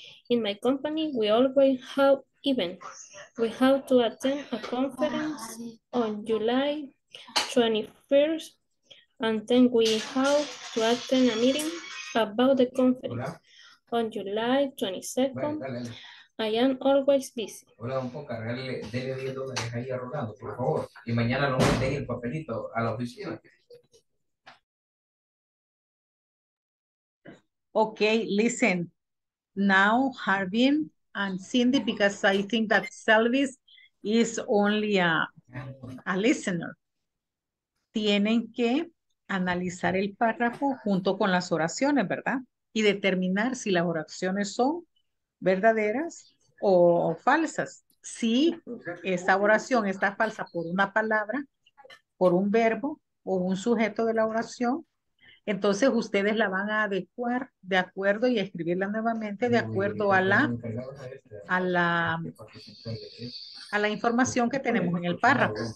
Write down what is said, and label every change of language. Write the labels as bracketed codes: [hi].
[en] In my company, we always have events. We have to attend a conference on July 21st, and then we have to attend a meeting about the conference on July 22nd. I am always busy. [es] Hola, un poco, regálele, dele 10 dólares ahí a Rolando, por favor. Y mañana lo mandé el papelito a la oficina. [en] Okay, listen. Now, Harvin and Cindy, because I think that Selvis is only a listener. [es] Tienen que analizar el párrafo junto con las oraciones, ¿verdad? Y determinar si las oraciones son verdaderas o falsas. Si esa oración está falsa por una palabra, por un verbo o un sujeto de la oración, entonces ustedes la van a adecuar de acuerdo y escribirla nuevamente de acuerdo a la información que tenemos en el párrafo.